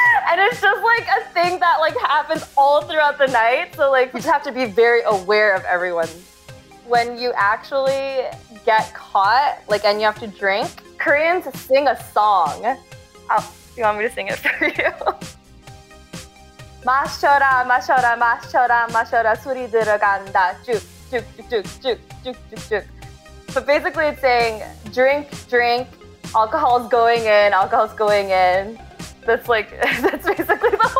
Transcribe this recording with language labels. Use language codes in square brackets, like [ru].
[en] And it's just like a thing that like happens all throughout the night. So like you just have to be very aware of everyone. When you actually get caught, like, and you have to drink, Koreans sing a song. You want me to sing it for you? [ko] 마셔라, 마셔라, 마셔라, 마셔라, 술이 들어간다, 쭉, 쭉, 쭉, 쭉, 쭉, 쭉, 쭉. [en] But basically it's saying, drink, drink, alcohol's going in, alcohol's going in. That's like, that's basically